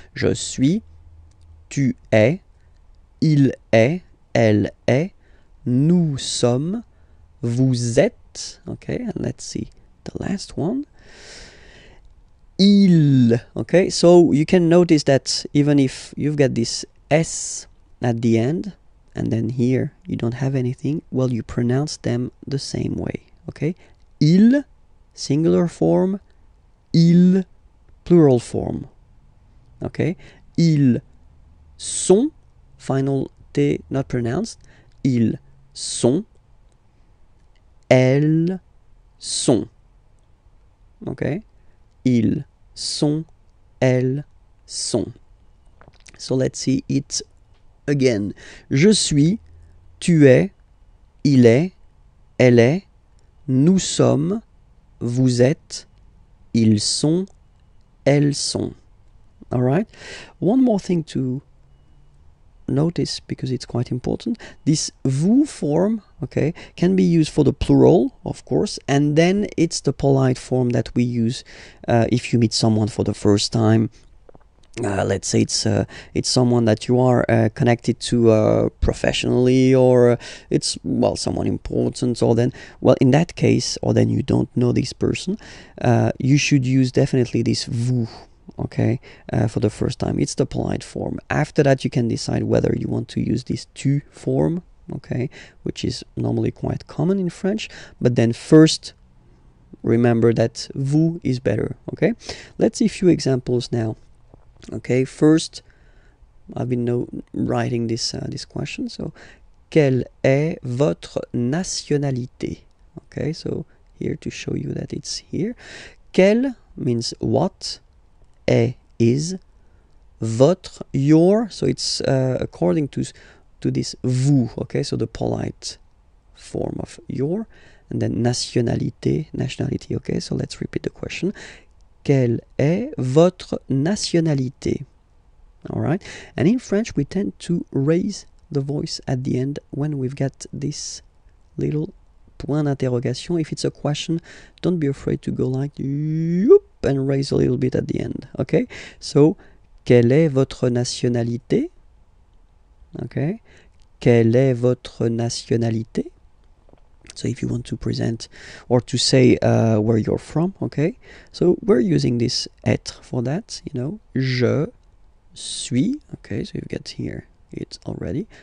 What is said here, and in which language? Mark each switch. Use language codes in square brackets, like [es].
[fr] Je suis, tu es, il est, elle est, nous sommes, vous êtes, okay? [en] And let's see the last one. Il, okay? So, you can notice that even if you've got this S at the end, and then here you don't have anything, well, you pronounce them the same way, okay? Il, singular form, il, plural form, okay? [fr] Ils sont, [en] final T not pronounced, [fr] ils sont, elles sont, okay? Ils sont, elles sont. [en] So let's see it again. [fr] Je suis, tu es, il est, elle est, nous sommes, vous êtes, ils sont, elles sont. [en] All right? One more thing to notice, because it's quite important. This vous form, okay, can be used for the plural, of course, and then it's the polite form that we use if you meet someone for the first time. Let's say it's someone that you are connected to professionally, or it's, well, someone important, or then, well, in that case, or then you don't know this person, you should use definitely this vous, okay, for the first time. It's the polite form. After that, you can decide whether you want to use this tu form, okay, which is normally quite common in French, but then first, remember that vous is better, okay? Let's see a few examples now. Okay, first, I've been writing this question. [fr] So, quelle est votre nationalité? [en] Okay, so here to show you that it's here. Quelle means what, est, is, votre, your, so it's according to this vous, okay, so the polite form of your, and then nationalité, okay, so let's repeat the question. [fr] Quelle est votre nationalité? [en] Alright? And in French, we tend to raise the voice at the end when we've got this little p. [fr] point d'interrogation. [en] If it's a question, don't be afraid to go like yoop and raise a little bit at the end. Okay? [fr] So, quelle est votre nationalité? Okay? Quelle est votre nationalité? [en] So, if you want to present or to say where you're from, okay? So, we're using this être for that, you know. [fr] Je suis. [en] Okay, so you've got here it already.